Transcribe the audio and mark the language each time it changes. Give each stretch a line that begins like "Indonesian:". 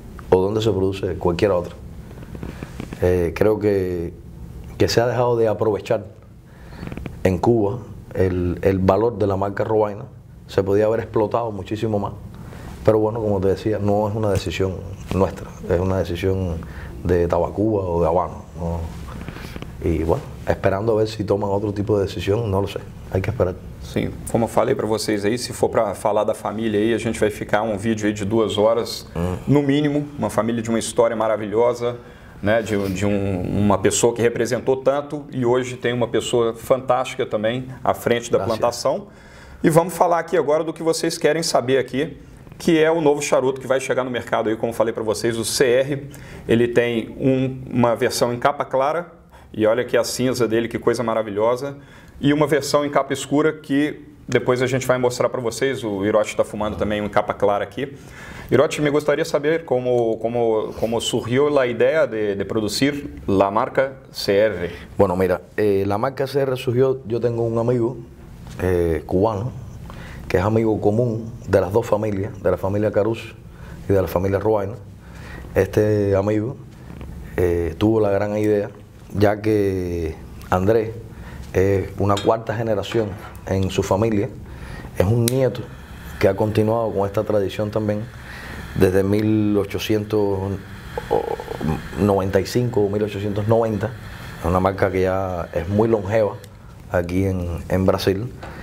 Spanish: ¿O dónde se produce cualquier otra? Creo que se ha dejado de aprovechar en Cuba el valor de la marca Robaina. Se podía haber explotado muchísimo más. Pero bueno, como te decía, no es una decisión nuestra. Es una decisión de Tabacuba o de Habana, ¿no? Y bueno, esperando a ver si toman otro tipo de decisión, no lo sé. Hay que esperar.
Portuguese: Sim, como eu falei para vocês aí, se for para falar da família aí, a gente vai ficar um vídeo aí de 2 horas, no mínimo, uma família de uma história maravilhosa, né? Uma pessoa que representou tanto e hoje tem uma pessoa fantástica também à frente da plantação. E vamos falar aqui agora do que vocês querem saber aqui, que é o novo charuto que vai chegar no mercado aí, como eu falei para vocês, o CR. Ele tem uma versão em capa clara e olha aqui a cinza dele, que coisa maravilhosa. E uma versão em capa escura que depois a gente vai mostrar para vocês. O Hiroshi está fumando também um capa clara aqui. Hiroshi, me gostaria de saber como surgiu a ideia de produzir a marca CR.
Spanish: Bueno, mira,
Portuguese: a marca CR surgiu. Eu tenho um amigo cubano, que é amigo comum de las duas famílias, de la família Caruso e de la família Robaina.
Spanish: Este amigo tuvo a gran ideia, já que André. Es una cuarta generación en su familia, es un nieto que ha continuado con esta tradición también desde 1895 o 1890, una marca que ya es muy longeva aquí en Brasil.